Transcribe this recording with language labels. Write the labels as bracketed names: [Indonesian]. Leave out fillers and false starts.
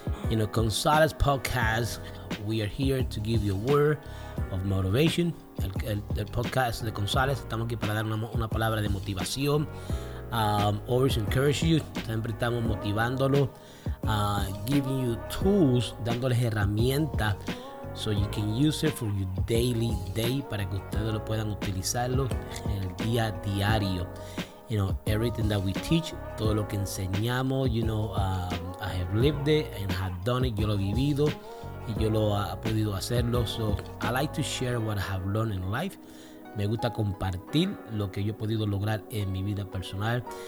[English] You know, Gonzalez Podcast, we are here to give you a word of motivation. [Spanish] El podcast de Gonzalez, estamos aquí para dar una palabra de motivación. [English] Always encourage you. Siempre estamos motivándolo. [Spanish] Giving you tools, dándoles herramientas so you can use it for your daily day, para que ustedes lo puedan utilizarlo en el día a diario. [English] You know, everything that we teach, todo lo que enseñamos, you know, I have lived it and have done it. Yo lo he vivido y yo lo he podido hacerlo. So I like to share what I have learned in life. [Spanish] Me gusta compartir lo que yo he podido lograr en mi vida personal.